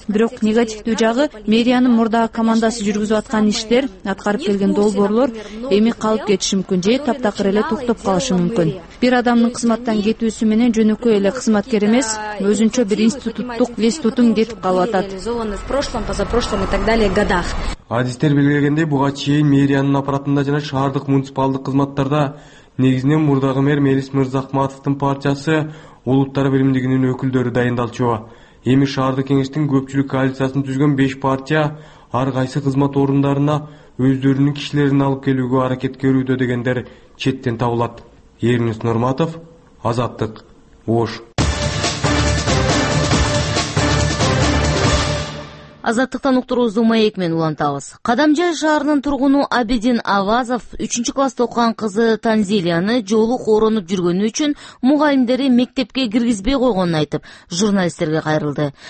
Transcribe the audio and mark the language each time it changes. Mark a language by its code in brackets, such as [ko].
[ky] Бирок негативдүү жагы мэриянын мурдагы командасы жүргүзүп аткан иштер, аткарып келген долбоорлор эми калып кетиши мүмкүн же таптакыр эле токтоп калышы мүмкүн. Бир адамдын кызматтан кетүүсү менен жөнөкөй эле кызматкер эмес, өзүнчө бир институттук институтум кетип калып атат. [ru] Реализованы в прошлом, позапрошлом и так далее годах. [ky] Адистер белгилегендей, буга чейин мэриянын аппаратында жана шаардык муниципалдык кызматтарда негизинен мурдагы мэр Мелис Мырзахматовдун партиясы улуттар биримдигинин өкүлдөрү дайындалчу. Эми шаардык кеңештин көпчүлүк коалициясын түзгөн 5 партия ар кайсы кызмат орундарына өздөрүнүн кишилерин алып келүүгө аракет көрүүдө дегендер четтен табылат. Эрнис Нурматов, Азаттык, Ош. Азаттыктан уктуруубузду маек менен улантабыз. Кадамжай шаарынын тургуну Абидин Авазов 3-чү класста окуган кызы Танзилияны жолук оронуп жүргөнү үчүн мугалимдери мектепке киргизбей койгонун айтып, журналисттерге кайрылды.